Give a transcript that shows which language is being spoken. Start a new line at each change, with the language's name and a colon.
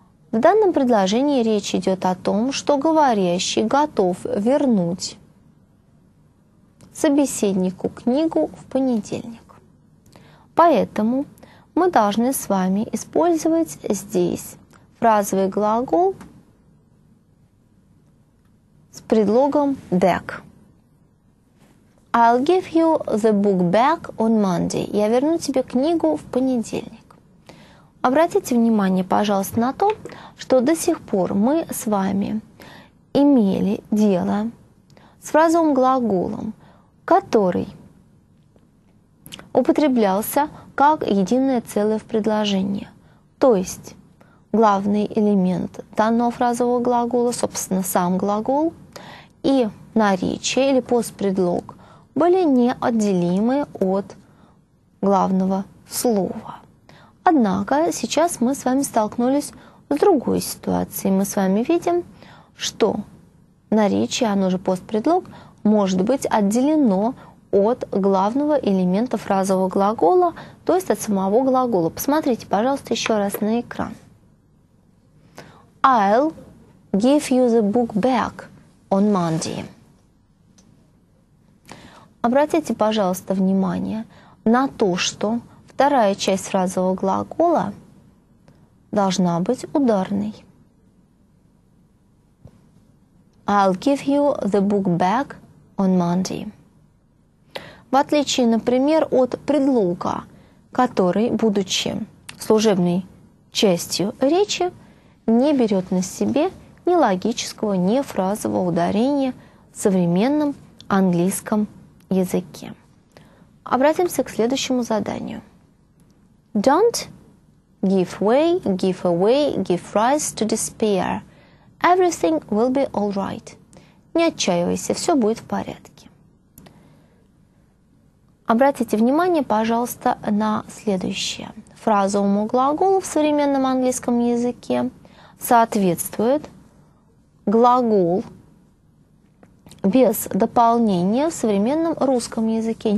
Russian: В данном предложении речь идет о том, что говорящий готов вернуть собеседнику книгу в понедельник. Поэтому мы должны с вами использовать здесь фразовый глагол с предлогом back.
English: I'll give you the book back on Monday.
Russian: Я верну тебе книгу в понедельник. Обратите внимание, пожалуйста, на то, что до сих пор мы с вами имели дело с фразовым глаголом, который употреблялся как единое целое в предложении. То есть главный элемент данного фразового глагола, собственно, сам глагол, и наречие или постпредлог – были неотделимы от главного слова. Однако сейчас мы с вами столкнулись с другой ситуацией. Мы с вами видим, что наречие, оно же постпредлог, может быть отделено от главного элемента фразового глагола, то есть от самого глагола. Посмотрите, пожалуйста, еще раз на экран.
English: I'll give you the book back on Monday.
Russian: Обратите, пожалуйста, внимание на то, что вторая часть фразового глагола должна быть ударной.
English: I'll give you the book back on Monday.
Russian: В отличие, например, от предлога который, будучи служебной частью речи, не берет на себе ни логического, ни фразового ударения в современном английском языке. Обратимся к следующему заданию.
English: Don't give way, give away, give rise to despair. Everything will be all right.
Russian: Не отчаивайся, все будет в порядке. Обратите внимание, пожалуйста, на следующее. Фразовому глаголу в современном английском языке соответствует глагол без дополнения в современном русском языке.